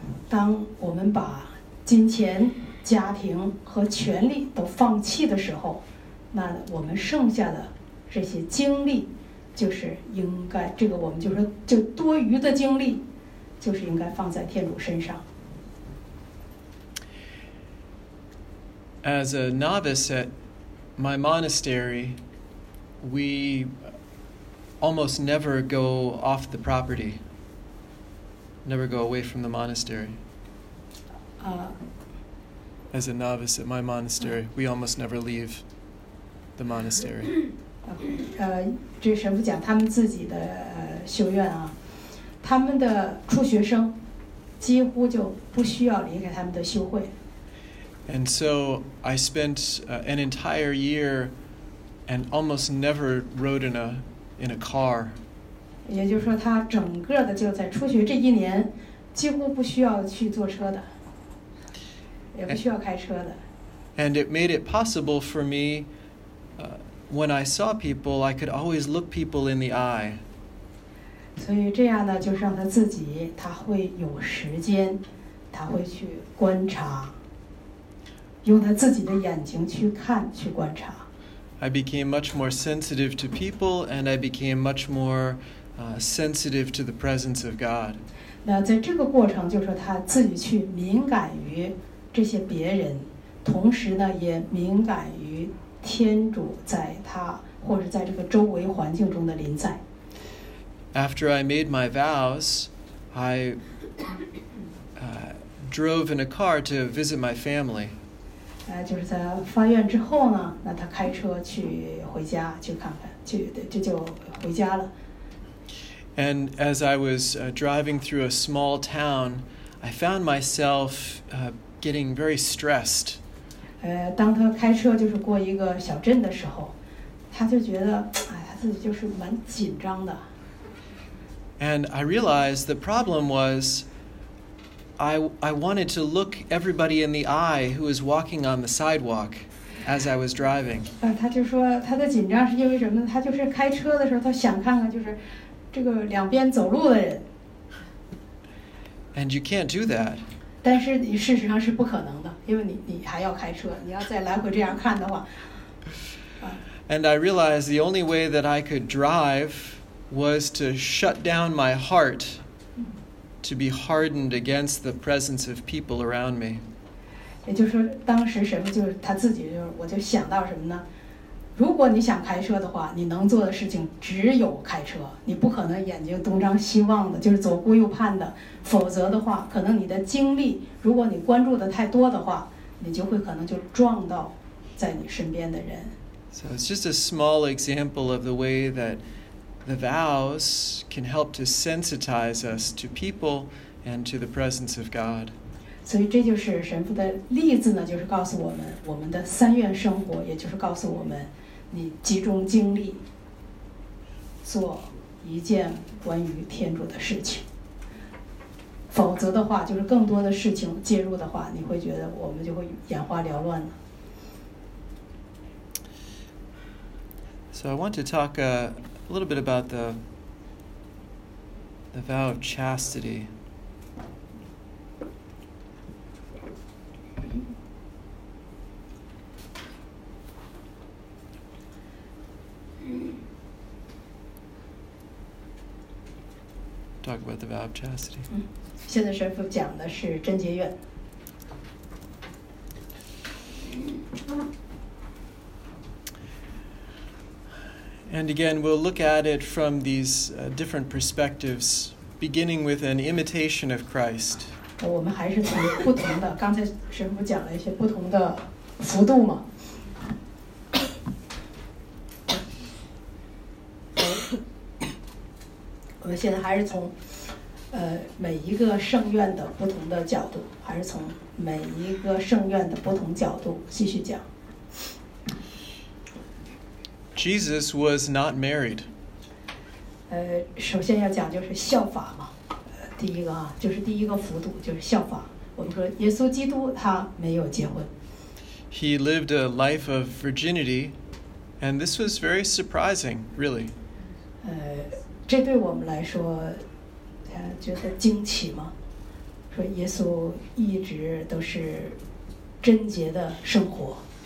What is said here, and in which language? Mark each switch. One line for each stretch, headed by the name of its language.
Chinese: 当我们把金钱、家庭和权力都放弃的时候，那我们剩下的这些精力，就是应该，这个我们就是就多余的精力。就是应该放在天主身上。
English: As a novice at my monastery, we almost never go off the property, never go away from the monastery. As a novice at my monastery, we almost never leave the monastery.
Chinese: 这神父讲他们自己的修院啊。他们的初学生几乎就不需要离开他们的修会。
English: And so I spent an entire year and almost never rode in a car.
Chinese: 也就是说他整个的就在初学这一年几乎不需要去坐车的，也不需要开车的。
English: And it made it possible for me, when I saw people, I could always look people in the eye.
Chinese: 所以这样呢，就是让他自己，他会有时间，他会去观察，用他自己的眼睛去看，去观察。
English: I became much more sensitive to people, and I became much more sensitive to the presence of God.
Chinese: 那在这个过程，就是他自己去敏感于这些别人，同时呢，也敏感于天主在他或者在这个周围环境中的临在。
English: After I made my vows, I drove in a car to visit my family.
Chinese: 就是在发愿之后呢，那他开车去回家去看看，去就回家了。
English: And as I was driving through a small town, I found myself getting very stressed.
Chinese: 当他开车就是过一个小镇的时候，他就觉得，哎，他自己就是蛮紧张的。
English: And I realized the problem was, I wanted to look everybody in the eye who was walking on the sidewalk as I was driving.
Chinese: 他就说他的紧张是因为什么？他就是开车的时候，他想看看就是这个两边走路的人。
English: And you can't do that.
Chinese: 但是你事实上是不可能的，因为你还要开车，你要再来回这样看的话。
English: And I realized the only way that I could drive was to shut down my heart to be hardened against the presence of people around me.
Chinese: 也就是说，当时什么就是他自己就是，我就想到什么呢？如果你想开车的话，你能做的事情只有开车，你不可能眼睛东张西望的，就是左顾右盼的。否则的话，可能你的精力，如果你关注的太多的话，你就会可能就撞到在你身边的人。
English: So it's just a small example of the way that the vows can help to sensitize us to people and to the presence of God.
Chinese: 所以这就是神父的例子呢，就是告诉我们，我们的三愿生活，也就是告诉我们，你集中精力做一件关于天主的事情。否则的话，就是更多的事情介入的话，你会觉得我们就会眼花缭乱了。
English: So I want to talk a little bit about the vow of chastity. Talk about the vow of chastity.
Chinese: 现在神父讲的是贞洁愿。
English: And again, we'll look at it from these different perspectives, beginning with an imitation of Christ.
Chinese: 我们还是从不同的，刚才神父讲了一些不同的幅度嘛。我们现在还是从每一个圣愿的不同的角度，还是从每一个圣愿的不同角度继续讲。
English: Jesus was not married.
Chinese: 首先要讲就是效法嘛。第一个啊，就是第一个幅度就是效法。我们说耶稣基督他没有结婚。
English: He lived a life of virginity, and this was very surprising, really.
Chinese: 这对我们来说，觉得惊奇吗？说耶稣一直都是贞洁的生活。